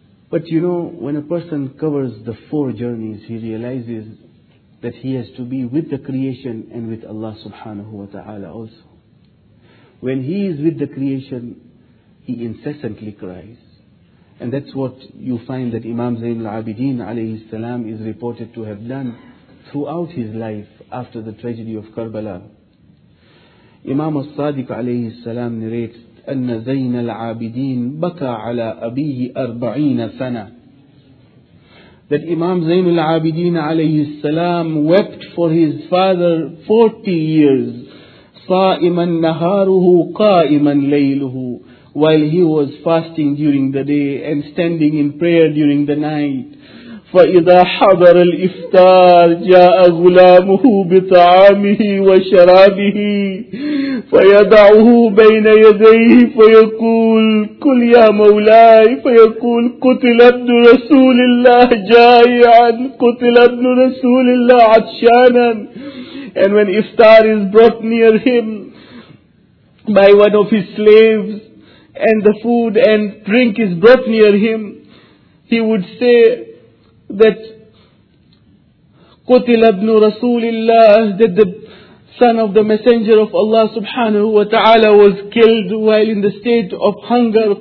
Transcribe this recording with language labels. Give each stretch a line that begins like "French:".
English: But you know, when a person covers the four journeys, he realizes that he has to be with the creation and with Allah subhanahu wa ta'ala also. When he is with the creation, he incessantly cries. And that's what you find that Imam Zain al-Abidin alayhi salam is reported to have done throughout his life after the tragedy of Karbala. Imam al-Sadiq alayhi salam narrates,
Arabic: أن زين العابدين بكى على أبيه أربعين سنة.
English: That Imam Zain al-Abidin alayhi salam wept for his father 40 years.
Arabic: صائما نهاره قائما ليله.
English: While he was fasting during the day and standing in prayer during the night.
Arabic: فإذا حضر الإفطار جاء غلامه بطعامه وشرابه فيضعه بين يديه فيقول كل يا مولاي فيقول قتل ابن رسول الله جائعا قتل ابن رسول الله عطشانا.
English: And when iftar is brought near him by one of his slaves and the food and drink is brought near him, he would say that
Arabic: قتل ابن رسول الله,
English: that the son of the messenger of Allah subhanahu wa ta'ala was killed while in the state of hunger.